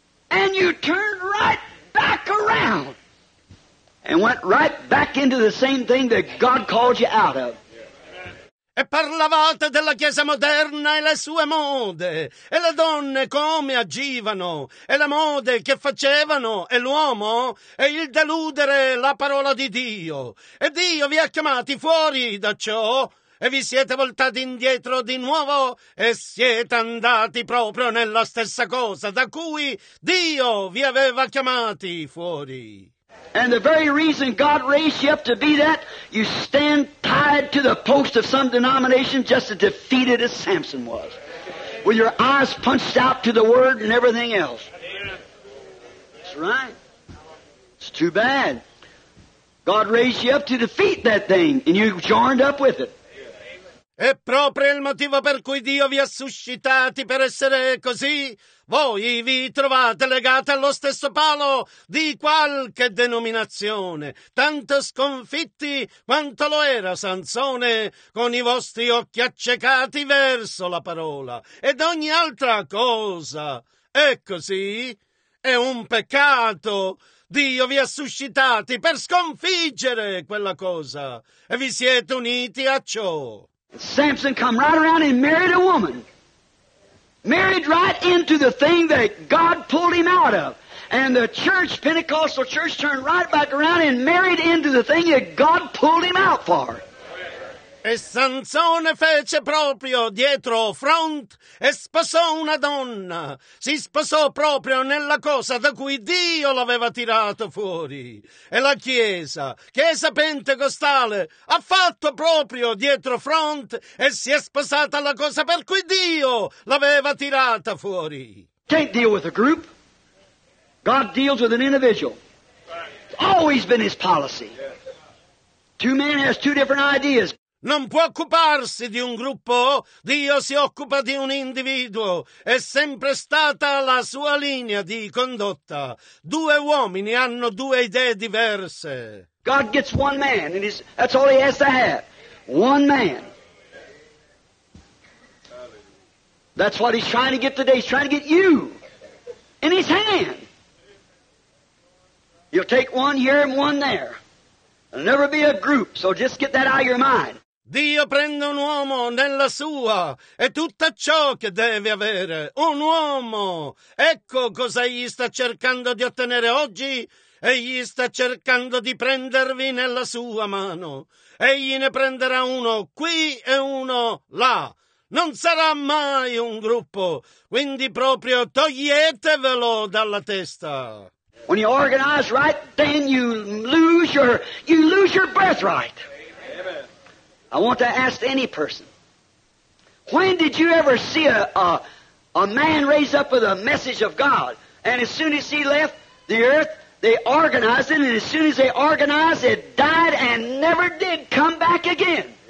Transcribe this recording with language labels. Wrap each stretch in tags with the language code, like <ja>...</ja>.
<en>And you turned right back around and went right back into the same thing that God called you out of.</en> <it>E parlavate della Chiesa moderna e le sue mode, e le donne come agivano, e le mode che facevano, e l'uomo, e il deludere la parola di Dio. E Dio vi ha chiamati fuori da ciò, e vi siete voltati indietro di nuovo, e siete andati proprio nella stessa cosa da cui Dio vi aveva chiamati fuori.</it> <en>And the very reason God raised you up to be that, you stand tied to the post of some denomination just as defeated as Samson was, with your eyes punched out to the word and everything else. That's right. It's too bad. God raised you up to defeat that thing, and you joined up with it.</en> <it>È proprio il motivo per cui Dio vi ha suscitati per essere così. Voi vi trovate legati allo stesso palo di qualche denominazione, tanto sconfitti quanto lo era Sansone, con i vostri occhi accecati verso la parola ed ogni altra cosa. È così? È un peccato. Dio vi ha suscitati per sconfiggere quella cosa e vi siete uniti a ciò.</it> <en>Samson come right around and married a woman. Married right into the thing that God pulled him out of. And the church, Pentecostal church, turned right back around and married into the thing that God pulled him out for.</en> <it>E Sansone fece proprio dietro front e sposò una donna. Si sposò proprio nella cosa da cui Dio l'aveva tirato fuori. E la Chiesa, Chiesa Pentecostale, ha fatto proprio dietro front e si è sposata la cosa per cui Dio l'aveva tirata fuori.</it> <en>Can't deal with a group. God deals with an individual. It's always been his policy. Two men has two different ideas.</en> <it>Non può occuparsi di un gruppo, Dio si occupa di un individuo, è sempre stata la sua linea di condotta. Due uomini hanno due idee diverse.</it> <en>God gets one man, and that's all he has to have. One man. That's what he's trying to get today, he's trying to get you in his hand. He'll take one here and one there. There'll never be a group, so just get that out of your mind.</en> <it>Dio prende un uomo nella sua e tutto ciò che deve avere, un uomo. Ecco cosa egli sta cercando di ottenere oggi. Egli sta cercando di prendervi nella sua mano. Egli ne prenderà uno qui e uno là. Non sarà mai un gruppo. Quindi proprio toglietevelo dalla testa.</it> <en>When you organize right, then you lose your birthright. I want to ask any person, when did you ever see a man raise up with a message of God, and as soon as he left the earth, they organized it, and as soon as they organized it, died and never did come back again?</en>